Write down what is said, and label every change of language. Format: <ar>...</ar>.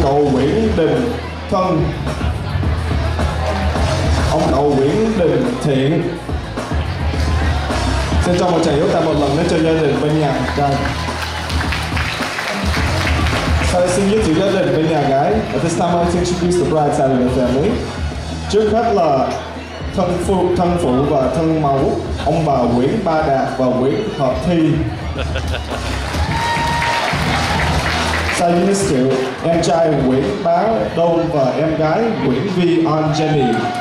<vi>Ông cậu Nguyễn Đình Thiện. nên cho một tràng vỗ tay một lần nữa cho gia đình bên nhà trai.</vi> <en>So I</en> <vi>xin giới thiệu gia đình bên nhà gái.</vi> <en>At this time I'd like to introduce the bride side of the family.</en> <vi>Trước hết là thân phụ và thân mẫu, ông bà Nguyễn Ba Đạt và Nguyễn Hợp Thi. Sau giới thiệu em trai Nguyễn Bá Đông và em gái Nguyễn Vi An Jenny.</vi>